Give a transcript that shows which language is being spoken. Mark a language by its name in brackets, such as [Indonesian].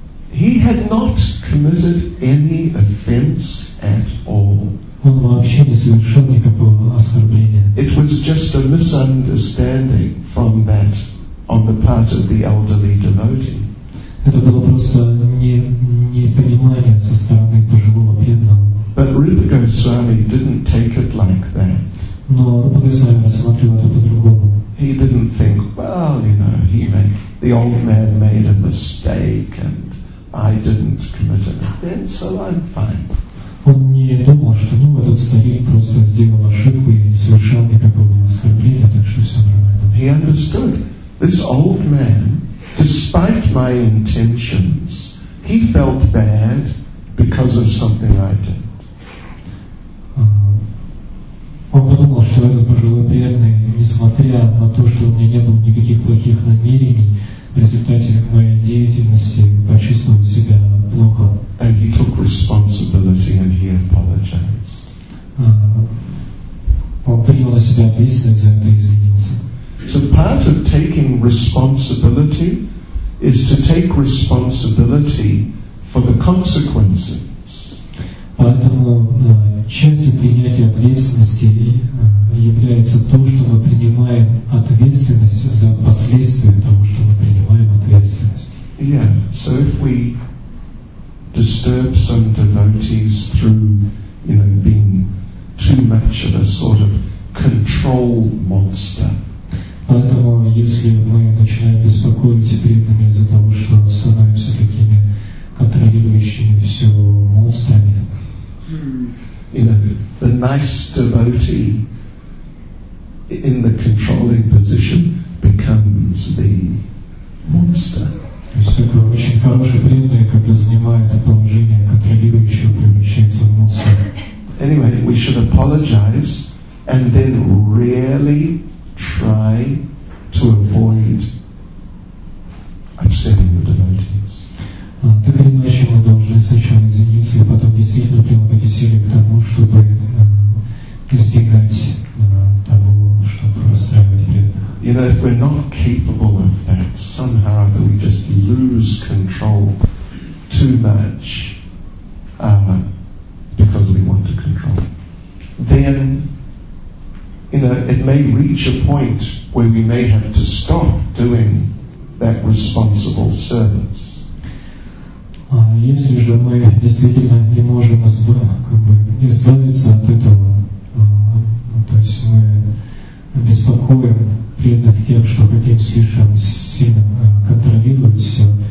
[English] He had not committed any offense at all. [Russian] Он вообще не совершил никакого оскорбления. [English] It was just a misunderstanding from that on the part of the elderly devotee. [Russian] Это было просто непонимание со стороны пожилого преданного. [English] But Rupa Goswami didn't take it like that. [Russian] Но Рупа Госвами рассматривал это по-другому. [English] He didn't think, the old man made a mistake and I didn't commit an offense, so I'm fine. [Russian] Он не думал, что этот старик просто сделал ошибку и не совершал никакого оскорбления, так что все нормально. [English] He understood. This old man, despite my intentions, he felt bad because of something I did. [Russian] Он подумал, что этот пожилой преданный, несмотря на то, что у меня не было никаких плохих намерений, в результате моей деятельности почувствовал себя плохо. [English] And he took responsibility and he apologized. [Russian] Он принял на себя ответственность за это и извинился. [English] So part of taking responsibility is to take responsibility for the consequences. [Russian] Поэтому частью принятия ответственности является то, что мы принимаем ответственность за последствия того, что мы принимаем ответственность. [English] Yeah, so if we disturb some devotees through, being too much of a sort of control monster. [Russian] Поэтому, если мы начинаем беспокоить преданными из-за того, что становимся такими контролирующими все монстрами. [English] The nice devotee in the controlling position becomes the monster. [Russian] Очень хороший преданный, когда занимает положение контролирующего, превращается в монстра. [English] Anyway, we should apologize and then really try to avoid upsetting the devotees. [Russian] Так или иначе, мы должны сначала извиниться и потом действительно прилагать усилия к тому, чтобы избегать того, чтобы расстраивать преданных. [English] If we're not capable of that, somehow that we just lose control too much because we want to control, then it may reach a point where we may have to stop doing that responsible service. [Russian] Если же мы действительно не можем избавиться от этого, то есть мы беспокоим преданных тем, что хотим слишком сильно контролировать все,